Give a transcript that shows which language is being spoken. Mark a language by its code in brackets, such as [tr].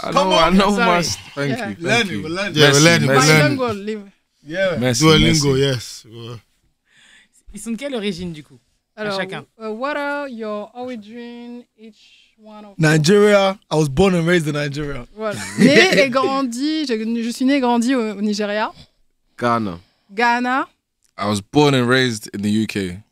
[en] I know. Must. Thank you. Learn. Duolingo. Yes. [fr] Ils sont de quelle origine du coup? Alors, chacun. [en] What are your origin each? Nigeria, I was born and raised in Nigeria. [fr] Voilà. Né et grandi, je suis né et grandi au Nigeria. [en] Ghana. I was born and raised in the UK.